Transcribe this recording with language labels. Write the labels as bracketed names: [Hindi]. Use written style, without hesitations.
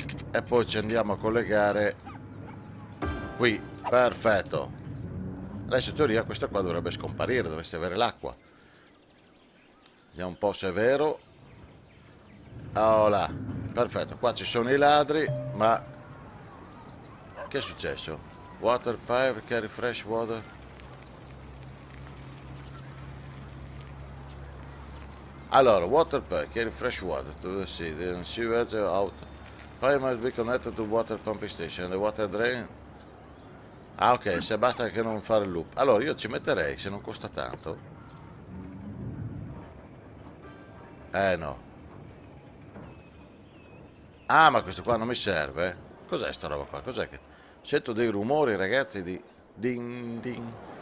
[Italian] E poi ci andiamo a collegare qui. Perfetto. Adesso in teoria questa qua dovrebbe scomparire, dovreste avere l'acqua. Vediamo un po' se è vero. Voilà. Perfetto. Qua ci sono i ladri, ma che è successo? [English] Water pipe, carry fresh water. Allora, water pipe, carry fresh water to the sea, the sewage out. Pipe must be connected to water pumping station, the water drain. [Italian] Ah, ok, se basta che non fare il loop. Allora, io ci metterei, se non costa tanto. No. Ah, ma questo qua non mi serve. Cos'è sta roba qua? Cos'è che. Sento dei rumori, ragazzi, di. Ding, ding.